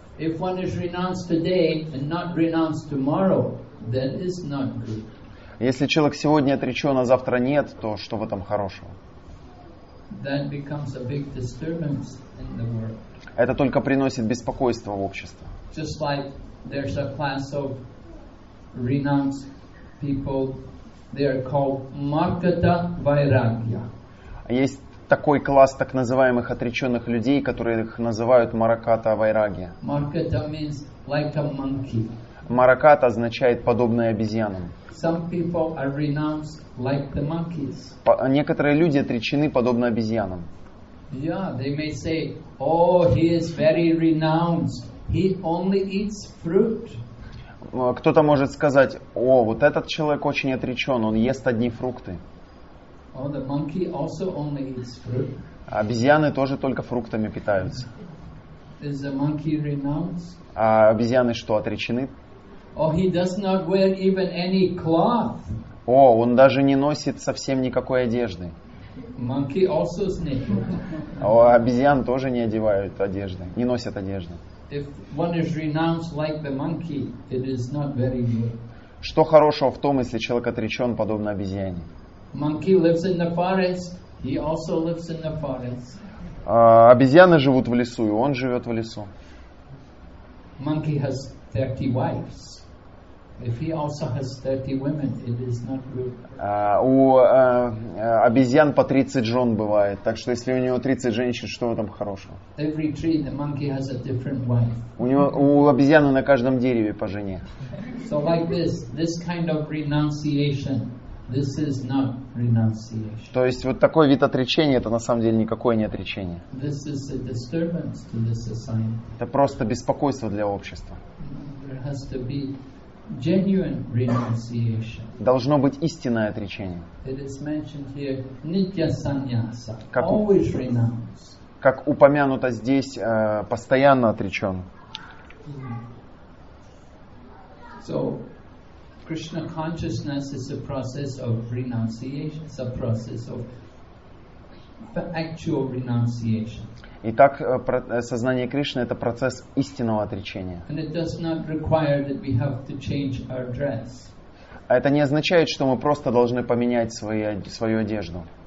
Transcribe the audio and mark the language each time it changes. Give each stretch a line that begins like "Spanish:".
English: If one is renounced today and not renounced tomorrow, that is not good.
Russian: Если человек сегодня отречен, а завтра нет, то что в этом хорошего?
English: That becomes a big disturbance in the world.
Russian: Это только приносит беспокойство в общество.
English: Just like there's a class of renounced people, they are called Markata Vairagya.
Russian: Есть такой класс так называемых отреченных людей, которые их называют Марката Вайрагья.
English: Markata means like a monkey.
Russian: Мараката означает подобное обезьянам.
English: Some people are renounced like the monkeys.
Russian: Некоторые люди отречены подобно обезьянам.
English: Yeah, they may say, "Oh, he is very renounced. He only eats fruit.
Russian: Кто-то может сказать: о, вот этот человек очень отречен, он ест одни фрукты.
English: Oh, the monkey also only eats fruit.
Russian: Обезьяны тоже только фруктами питаются.
English: Does the monkey renounce?
Russian: А обезьяны что, отречены?
English: Oh, he does not wear even any cloth.
Russian: О, он даже не носит совсем никакой одежды.
English: Monkey also is naked.
Russian: О, обезьян тоже не одевают одежды, не носят одежды.
English: If one is renounced like the monkey, it is not very good.
Russian: Что хорошего в том, если человек отречен, подобно обезьяне?
English: Monkey lives in the forest. He also lives in the forest.
Russian: Обезьяны живут в лесу, и он живет в лесу.
English: Monkey has 30 wives. If he also has 30 women, it is not good.
Russian: Обезьян по 30 жен бывает, так что если у него 30 женщин, что в этом хорошего?
English: Every tree the monkey has a different wife.
Russian: У обезьяны на каждом дереве по жене.
English: So like this kind of renunciation, this is not renunciation.
Russian: То есть вот такой вид отречения, это на самом деле никакое не отречение.
English: This is a disturbance to the society.
Russian: Это просто беспокойство для общества.
English: There has to be genuine renunciation.
Russian: Должно быть истинное отречение.
English: It is mentioned here, nitya sannyasa, always renounce.
Russian: Как упомянуто здесь, постоянно отречен.
English: So, Krishna consciousness is a process of renunciation, it's a process of actual renunciation.
Russian: Итак, сознание Кришны — это процесс истинного отречения.
English: And it does not require that we have to change our dress.
Russian: Это не означает, что мы просто должны поменять свою одежду.